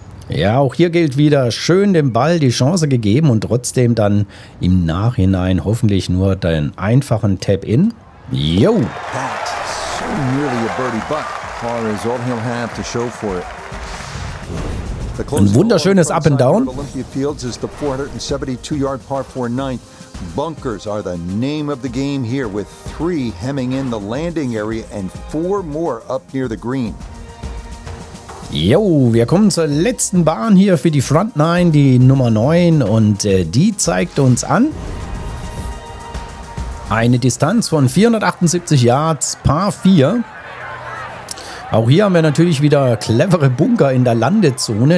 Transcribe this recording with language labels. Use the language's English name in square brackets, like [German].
[German] Ja, auch hier gilt wieder, schön dem Ball die Chance gegeben und trotzdem dann im Nachhinein hoffentlich nur den einfachen Tap-In. Yo! [English] That is so nearly a birdie, but par is all he'll have to show for it. [German] Ein wunderschönes Up and Down. [English] Olympia Fields is the 472-yard par 49. Bunkers are the name of the game here, with 3 hemming in the landing area and 4 more up near the green. [German] Jo, wir kommen zur letzten Bahn hier für die Front 9, die Nummer 9. Und die zeigt uns an, eine Distanz von 478 Yards, Par 4. Auch hier haben wir natürlich wieder clevere Bunker in der Landezone.